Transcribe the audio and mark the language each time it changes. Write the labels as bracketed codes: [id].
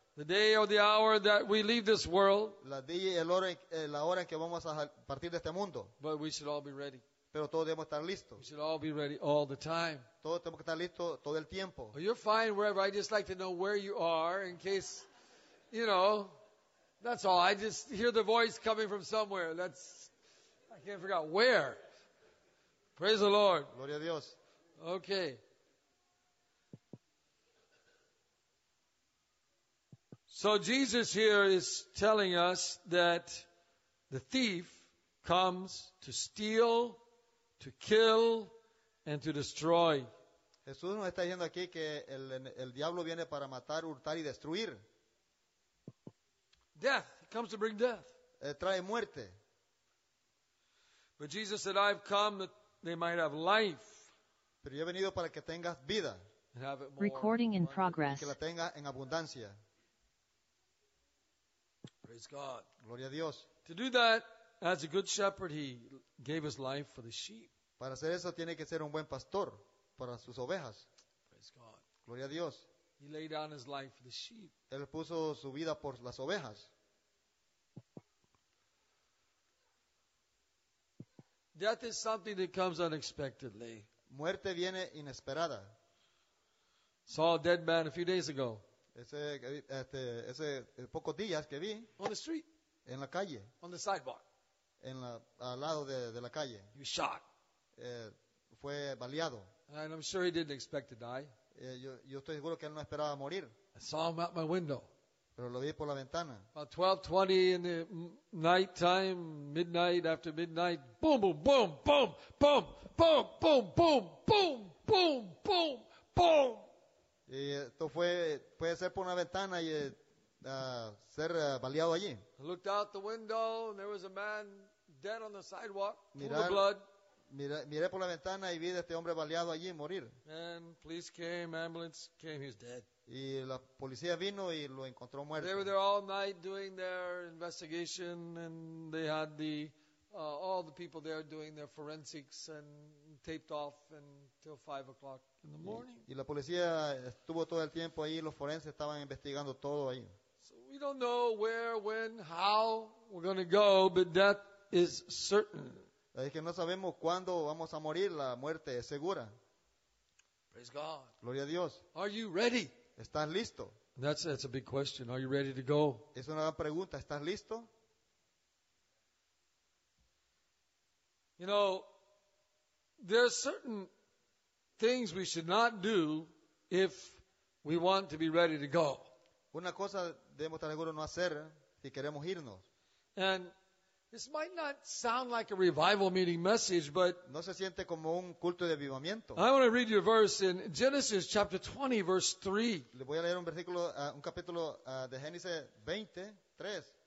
[en] The day or the hour that we leave this world. [es] La hora en que vamos a partir de este mundo. [en] But we should all be ready. [es] Pero todos debemos estar listos. [en] We should all be ready all the time. [es] Todos tenemos que estar listos todo el tiempo. [en] Oh, you're fine wherever. I just like to know where you are in case, you know, that's all. I just hear the voice coming from somewhere. That's, I can't figure out where. Praise the Lord. [es] Gloria a Dios. [en] Okay. So Jesus here is telling us that the thief comes to steal, to kill, and to destroy. [es] Jesús nos está diciendo aquí que el diablo viene para matar, hurtar y destruir. [en] Death. He comes to bring death. [es] Trae muerte. [en] But Jesus said, I've come that they might have life. [es] Pero yo he venido para que tengas vida. [en] And have it more. Recording in progress. [es] Que la tenga en abundancia. [en] Praise God. [es] Gloria a Dios. [en] To do that, as a good shepherd, he gave his life for the sheep. [es] Para hacer eso, tiene que ser un buen pastor para sus ovejas. [en] Praise God. [es] Gloria a Dios. [en] He laid down his life for the sheep. [es] Él puso su vida por las ovejas. [en] Death is something that comes unexpectedly. [es] Muerte viene inesperada. [en] Saw a dead man a few days ago. [es] Ese pocos días que vi. [en] On the street. [es] En la calle. [en] On the sidewalk. [es] Al lado de la calle. [en] He was shot. [es] Fue baleado. [en] And I'm sure he didn't expect to die. [es] Yo estoy seguro que él no esperaba morir. [en] I saw him out my window. [es] Pero lo vi por la ventana. [en] About 12:20 in the night time, midnight after midnight. Boom, boom, boom, boom, boom, boom, boom, boom, boom, boom, boom, boom. [es] Y esto puede ser por una ventana y ser baleado allí. [en] I looked out the window and there was a man dead on the sidewalk, full of blood. [es] Miré por la ventana y vi a este hombre baleado allí, morir. [en] And police came, ambulance came, he's dead. [es] Y la policía vino y lo encontró muerto. [en] They were there all night doing their investigation, and they had the all the people there doing their forensics and taped off until 5 o'clock in the morning. [es] Y la policía estuvo todo el tiempo ahí, los forenses estaban investigando todo ahí. [en] So we don't know where, when, how we're going to go, but death is certain. [es] Es que no sabemos cuándo vamos a morir, la muerte es segura. [en] Praise God. [es] Gloria a Dios. [en] Are you ready? [es] ¿Estás listo? [en] That's a big question. Are you ready to go? [es] Es una gran pregunta. ¿Estás listo? [en] You know, there are certain things we should not do if we want to be ready to go. [es] Una cosa debemos estar seguros no hacer si queremos irnos. [en] And this might not sound like a revival meeting message, but [es] no se siente como un culto de avivamiento. [en] I want to read you a verse in Genesis chapter 20, verse 3. [es] Le voy a leer un versículo, un capítulo de Génesis 20, 3.